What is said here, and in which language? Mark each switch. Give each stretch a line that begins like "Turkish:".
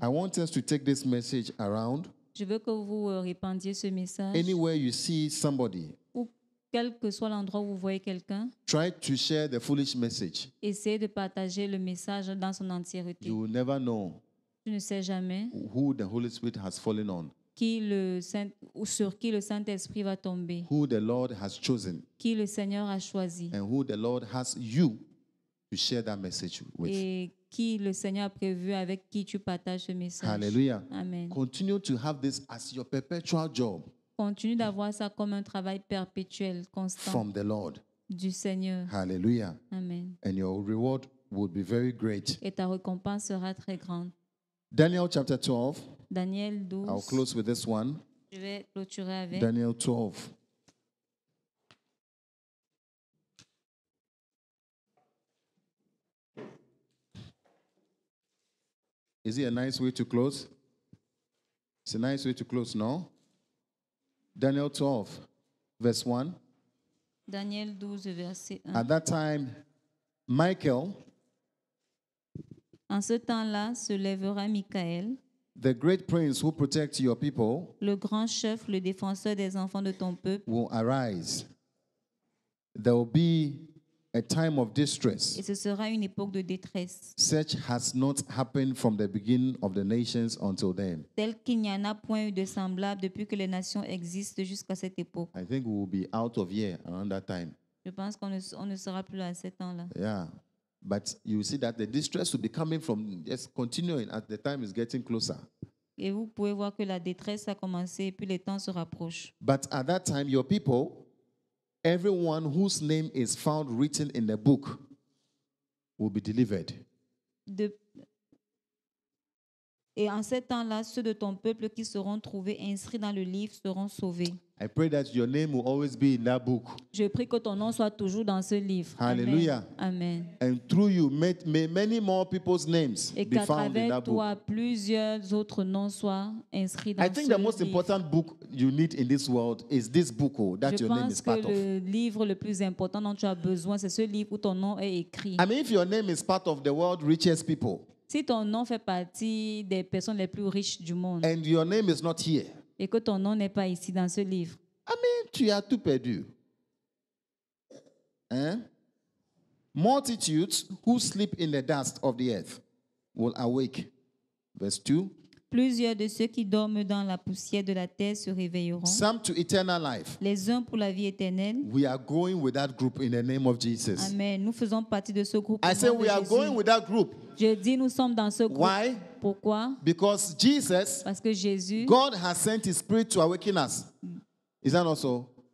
English: I want us to take this message around.
French: Je veux que vous répandiez ce message.
English: Anywhere you see somebody.
French: Quel que soit l'endroit où vous voyez quelqu'un,
English: try to share the foolish message.
French: Essayez de partager le message dans son entièreté.
English: You will never know
French: tu ne sais jamais
English: who the Holy Spirit has fallen on.
French: qui le Saint, ou sur qui le Saint-Esprit va tomber.
English: Who the Lord has chosen.
French: Qui le Seigneur a choisi.
English: And who the Lord has you to share that message with.
French: Et qui le Seigneur a prévu avec qui tu partages ce message. Hallelujah. Amen.
English: Continue to have this as your perpetual job.
French: Continue d'avoir ça comme un travail perpétuel, constant.
English: From the Lord.
French: Du Seigneur. Hallelujah. Amen.
English: And your reward will be very great.
French: Et ta récompense sera très grande.
English: Daniel chapter 12.
French: Daniel 12.
English: I'll close with this one.
French: Je vais clôturer avec. Daniel 12.
English: Is it a nice way to close? It's a nice way to close, no? Daniel 12, verse 1.
French: Daniel 12, verset 1.
English: At that time, Michael.
French: En ce temps-là, se lèvera Michael.
English: The great prince who protects your people.
French: Le grand chef, le défenseur des enfants de ton peuple.
English: Will arise. There will be a time of distress.
French: Et ce sera une époque de détresse.
English: Such has not happened from the beginning of the nations until then.
French: Tel qu'il n'y en a point eu de semblable depuis que les nations existent jusqu'à cette époque.
English: I think we will be out of here around that time.
French: Je pense qu'on ne sera plus à ce temps-là.
English: Yeah. But you see that the distress will be coming from just continuing as the time is getting closer.
French: Et vous pouvez voir que la détresse a commencé et puis le temps se rapproche.
English: But at that time your people, everyone whose name is found written in the book will be delivered.
French: Et en ce temps-là, ceux de ton peuple qui seront trouvés inscrits dans le livre seront sauvés.
English: I pray that your name will always be in that book.
French: Je prie que ton nom soit toujours dans ce livre. Hallelujah. Amen.
English: And through you, may many more people's names
French: et
English: be found in that
French: Et qu'à travers toi, plusieurs autres noms soient inscrits dans
English: I think
French: ce
English: the
French: livre.
English: Most important book you need in this world is this book that
French: Je
English: your name is part of.
French: Je pense que le livre le plus important dont tu as besoin, c'est ce livre où ton nom est écrit.
English: I mean, if your name is part of the world's richest people.
French: Si ton nom fait partie des personnes les plus riches du monde.
English: And your name is not here.
French: Et que ton nom n'est pas ici dans ce livre.
English: I mean,
French: tu as tout perdu. Hein?
English: Multitudes who sleep in the dust of the earth will awake. Verse 2.
French: Plusieurs de ceux qui dorment dans la poussière de la terre se réveilleront.
English: Some to eternal life.
French: Les uns pour la vie éternelle.
English: We are going with that group in the name of Jesus.
French: Amen. Nous faisons partie de ce groupe.
English: I say we are going with that group.
French: Je dis nous sommes dans ce groupe.
English: Why?
French: Pourquoi?
English: Because Jesus.
French: Parce que Jésus.
English: God has sent His Spirit to awaken us. Is that not so?